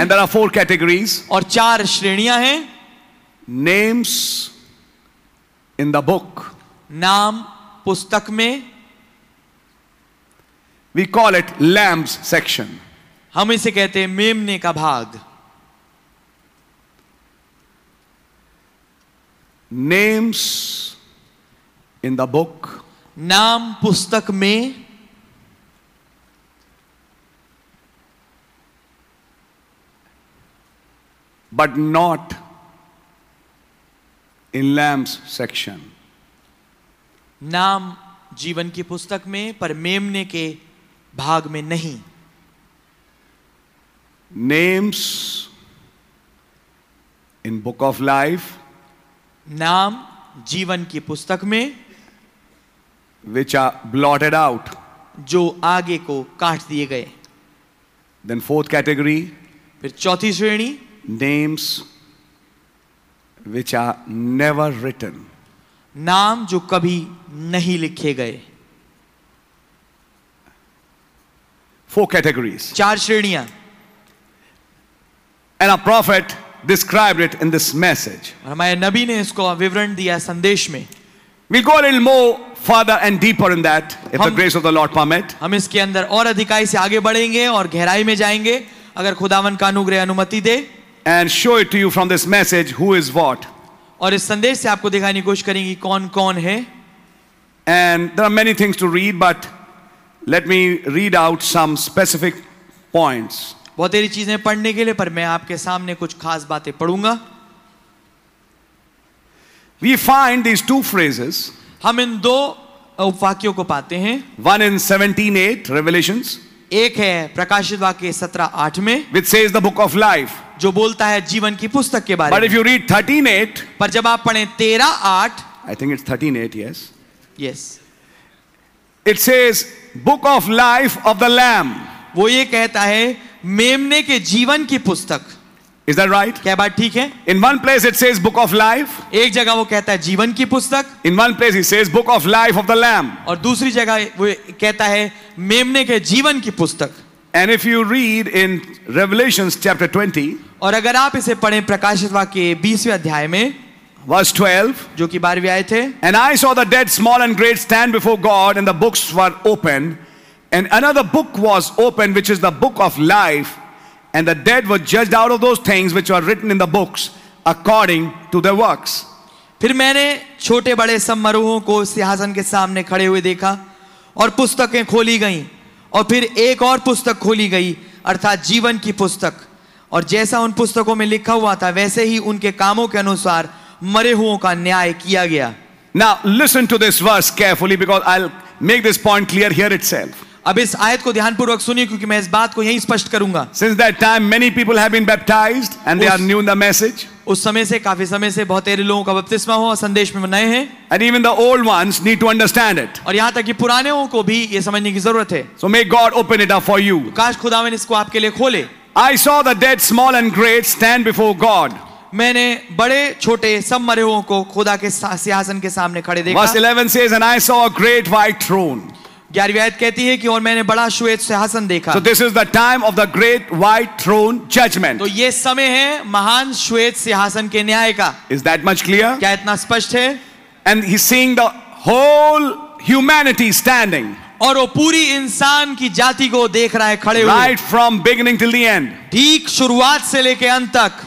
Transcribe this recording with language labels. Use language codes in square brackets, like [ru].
[en] And there are four categories. [hi] और चार श्रेणियां हैं. [en] Names in the book. [hi] नाम पुस्तक में. [en] We call it lamb's section. [hi] हम इसे कहते हैं मेमने का भाग. [en] Names in the book. [hi] नाम पुस्तक में. [en] But not in lamb's section. [hi] नाम जीवन की पुस्तक में पर मेमने के भाग में नहीं. [en] Names in book of life. [hi] नाम जीवन की पुस्तक में. [en] Which are blotted out. [hi] जो आगे को काट दिए गए. [en] Then fourth category. [hi] फिर चौथी श्रेणी. [en] Names which are never written. [hi] नाम जो कभी नहीं लिखे गए. [en] Four categories. [hi] चार श्रेणियां. [en] And a prophet described it in this message. [hi] हमारे नबी ने इसको विवरण दिया संदेश में. [en] We'll go a little more further and deeper in that, if the grace of the Lord permit. [hi] हम इसके अंदर और अधिकाई से आगे बढ़ेंगे और गहराई में जाएंगे अगर खुदावन का अनुग्रह अनुमति दे. [en] And show it to you from this message who is what. [hi] और इस संदेश से आपको दिखाने की कोशिश करेंगे कौन कौन है. [en] And there are many things to read, but let me read out some specific points. [hi] बहुत सारी चीजें पढ़ने के लिए पर मैं आपके सामने कुछ खास बातें पढ़ूंगा. [en] We find these two phrases. [hi] हम इन दो उपवाक्यों को पाते हैं. [en] One in 17:8 Revelations. [hi] एक है प्रकाशित वाक्य 17:8 में. [en] Which says the book of life. [hi] जो बोलता है जीवन की पुस्तक के बारे में. [en] But if you read 13:8. [hi] पर जब आप पढ़ें 13:8. [en] I think it's 13:8. Yes. Yes. It says book of life of the Lamb. [hi] वो ये कहता है मेमने के जीवन की पुस्तक. [en] Is that right? [hi] क्या बात ठीक है? [en] In one place it says book of life. [hi] एक जगह वो कहता है जीवन की पुस्तक. [en] In one place he says book of life of the Lamb. [hi] और दूसरी जगह वो कहता है मेमने के जीवन की पुस्तक. [en] And if you read in Revelations chapter 20. [hi] और अगर आप इसे पढ़ें प्रकाशित वाक्य 20वें अध्याय में. [en] Verse 12. [hi] जो कि 12वें आयत है. [en] And I saw the dead, small and great, stand before God, and the books were opened. And another book was opened, which is the book of life. And the dead were judged out of those things which were written in the books according to their works. [hi] फिर मैंने छोटे बड़े सब मरुहों को सिंहासन के सामने खड़े हुए देखा और पुस्तकें खोली गईं और फिर एक और पुस्तक खोली गई अर्थात जीवन की पुस्तक और जैसा उन पुस्तकों में लिखा हुआ था वैसे ही उनके कामों के अनुसार मरे हुओं का न्याय किया गया. [en] Now listen to this verse carefully because I'll make this point clear here itself. [hi] अब इस आयत को ध्यानपूर्वक सुनिए क्योंकि मैं इस बात को यहीं स्पष्ट करूंगा. [en] Since that time many people have been baptized and they are new in the message. [hi] उस समय से काफी समय से बहुत सारे लोगों का बपतिस्मा हुआ संदेश में नए हैं. [en] And even the old ones need to understand it. [hi] और यहां तक कि पुरानेओं को भी यह समझने की जरूरत है. [en] So may God open it up for you. [hi] काश खुदावन इसको आपके लिए खोले. [en] I saw the dead small and great stand before God. [hi] मैंने बड़े छोटे सब मरेओं को खुदा के सिंहासन के सामने खड़े देखा. [en] Verse 11 says and I saw a great white throne. [hi] कहती है कि और मैंने बड़ा श्वेत सिंहासन देखा. [en] So this is the time of the great white throne judgment. [hi] तो ये समय है महान श्वेत सिंहासन के न्याय का. [en] Is that much clear? [hi] क्या इतना स्पष्ट है? [en] And he's seeing the whole humanity standing. [hi] और वो पूरी इंसान की जाति को देख रहा है खड़े हुए. [en] Right from beginning till the end. [hi] ठीक शुरुआत से लेके अंत तक.